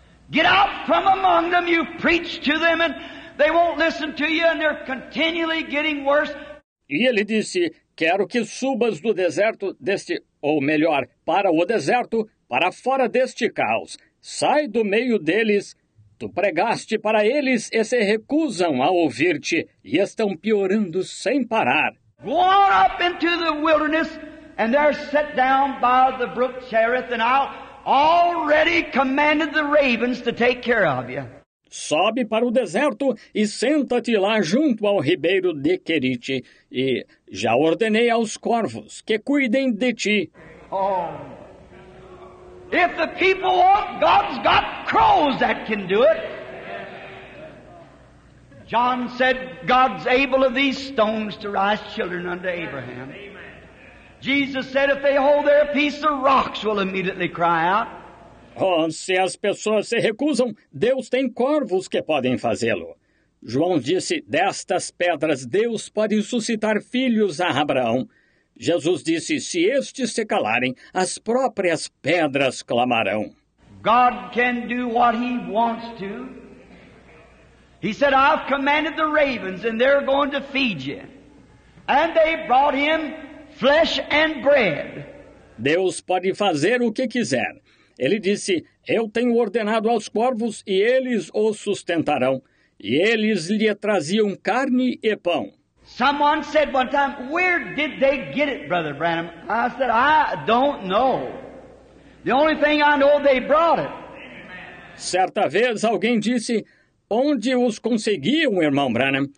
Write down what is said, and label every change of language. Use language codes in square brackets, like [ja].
[en] Get out from among them, you preach to them, and they won't listen to you, and they're continually getting worse. [pt] E ele disse, quero que subas do deserto deste, ou melhor, para o deserto, para fora deste caos. Sai do meio deles. Tu pregaste para eles e se recusam a ouvir-te e estão piorando sem parar. [en] Go on up into the wilderness and there sit down by the brook Cherith and I'll already commanded the ravens to take care of you. [pt] Sobe para o deserto e senta-te lá junto ao ribeiro de Querite e já ordenei aos corvos que cuidem de ti. Oh. [en] If the people want, God's got crows that can do it. John said, God's able of these stones to rise children unto Abraham. Jesus said, if they hold their peace, the rocks will immediately cry out. [pt] Oh, se as pessoas se recusam, Deus tem corvos que podem fazê-lo. João disse, destas pedras Deus pode suscitar filhos a Abraão. Jesus disse, se estes se calarem, as próprias pedras clamarão. [en] God can do what he wants to. He said, I've commanded the ravens and they're going to feed you. And they brought him flesh and bread. [pt] Deus pode fazer o que quiser. Ele disse, eu tenho ordenado aos corvos e eles o sustentarão. E eles lhe traziam carne e pão. [en] Someone said one time, where did they get it, Brother Branham? I said, I don't know. The only thing I know, they brought it. [pt] Certa vez, alguém disse, onde os conseguiam, Irmão Branham?